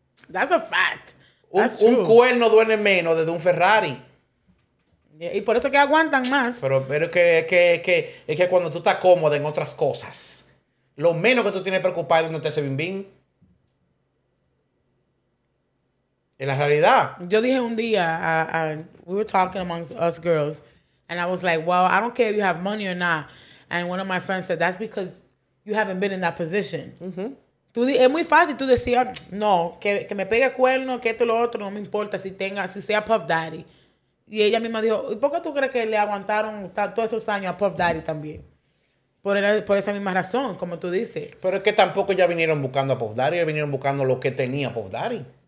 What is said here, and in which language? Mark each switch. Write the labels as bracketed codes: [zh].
[en] That's a fact. [es] Un cuerno duele menos desde un Ferrari. [en] Yeah, [es] y por eso que aguantan más. Pero es que cuando tú estás cómoda en otras cosas, lo menos que tú tienes preocupado es donde te hace bim-bim. En la realidad. Yo dije un día, [en] we were talking amongst us girls, and I was like, well, I don't care if you have money or not. And one of my friends said, that's because you haven't been in that position. Mm-hmm. [es] Es muy fácil. Tú decías, no, que me pegue cuerno, que esto y lo otro, no me importa si sea Puff Daddy. Y ella misma dijo, ¿y por qué tú crees que le aguantaron todos esos años a Puff Daddy también? Por esa misma razón, como tú dices. Pero es que tampoco ya vinieron buscando a Puff Daddy, ya vinieron buscando lo que tenía Puff Daddy.